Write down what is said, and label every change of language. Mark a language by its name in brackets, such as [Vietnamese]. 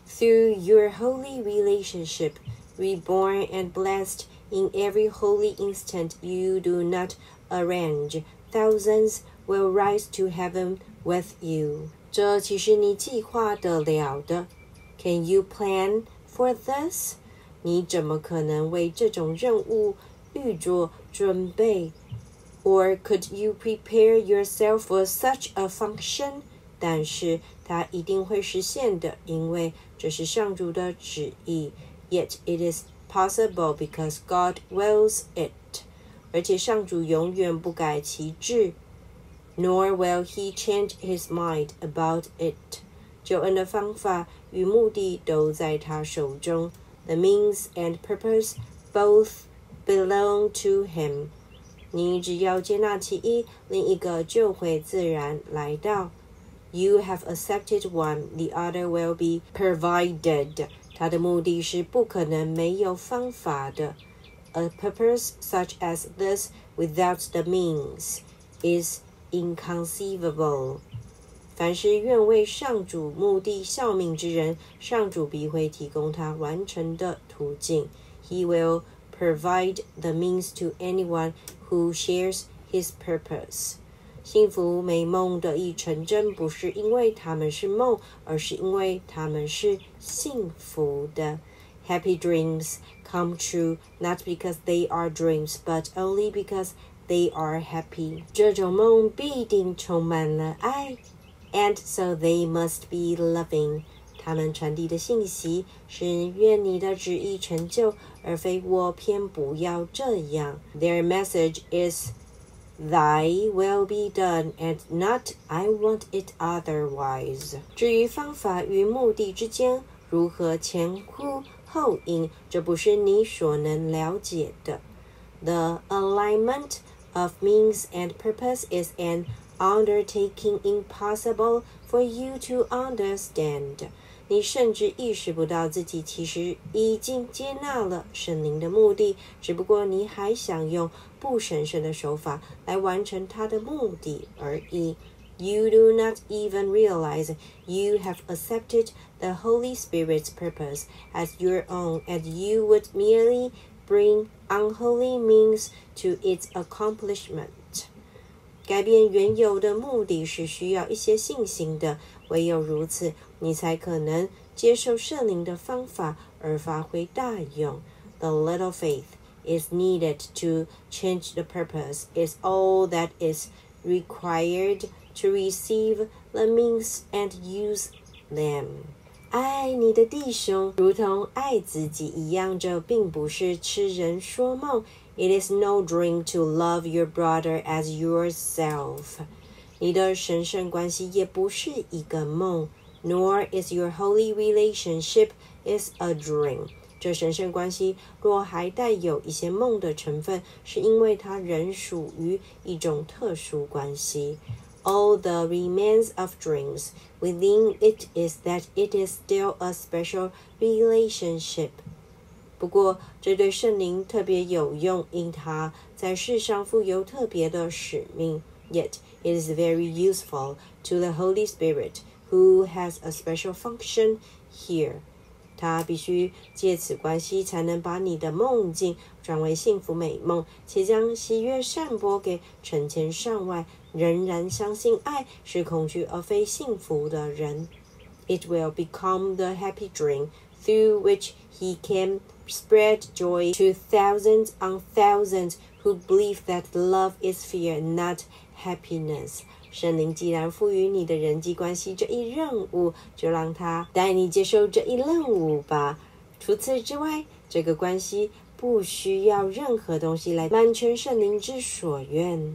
[English] Through your holy relationship, reborn and blessed, in every holy instant you do not arrange, thousands will rise to heaven with you. [Chinese] 这其实你计划得了的。 [English] Can you plan for this? [Chinese] 你怎么可能为这种任务预作准备？ [English] Or could you prepare yourself for such a function? [Chinese] 但是它一定会实现的，因为这是上主的旨意。 [English] Yet it is possible because God wills it. [Chinese] 而且上主永远不改其志。 [English] Nor will he change his mind about it. [Chinese] 救恩的方法与目的都在他手中。 [English] The means and purpose both belong to him. [Chinese] 你只要接纳其一，另一个就会自然来到。 [English] You have accepted one, the other will be provided. [Chinese] 他的目的是不可能没有方法的。 [English] A purpose such as this without the means is inconceivable. [Chinese] 凡是愿为上主目的效命之人，上主必会提供他完成的途径。 [English] He will provide the means to anyone who shares his purpose. [Chinese] 幸福美梦得以成真，不是因为他们是梦，而是因为他们是幸福的。 [English] Happy dreams come true not because they are dreams, but only because they are happy. [Chinese] 这种梦必定充满了爱。 [English] And so they must be loving. [Chinese] 他们传递的信息是愿你的旨意成就，而非我偏不要这样。 [English] Their message is... Thy will be done, and not I want it otherwise. [Chinese] 至于方法与目的之间如何前呼后应，这不是你所能了解的。 [English] The alignment of means and purpose is an undertaking impossible for you to understand. [Chinese] 你甚至意识不到自己其实已经接纳了圣灵的目的，只不过你还想用不神圣的手法来完成他的目的而已。 [English] You do not even realize you have accepted the Holy Spirit's purpose as your own, and you would merely bring unholy means to its accomplishment. [Chinese] 改变原有的目的是需要一些信心的，唯有如此，你才可能接受圣灵的方法而发挥大用。 [English] The little faithis needed to change the purpose is all that is required to receive the means and use them. [Chinese] 爱你的弟兄如同爱自己一样，这并不是痴人说梦。 [English] It is no dream to love your brother as yourself. [Chinese] 你的神圣关系也不是一个梦。 [English] Nor is your holy relationship is a dream. [Chinese] 这神圣关系若还带有一些梦的成分，是因为它仍属于一种特殊关系。 [English] All the remains of dreams within it is that it is still a special relationship. [Chinese] 不过这对圣灵特别有用，因它在世上负有特别的使命。 [English] Yet it is very useful to the Holy Spirit who has a special function here. [Chinese] 他必须借此关系才能把你的梦境转为幸福美梦，且将喜悦散播给成千上万仍然相信爱是恐惧而非幸福的人。 [English] It will become the happy dream through which he can spread joy to thousands on thousands who believe that love is fear, not happiness. [Chinese] 圣灵既然赋予你的人际关系这一任务，就让他带你接受这一任务吧。除此之外，这个关系不需要任何东西来满全圣灵之所愿。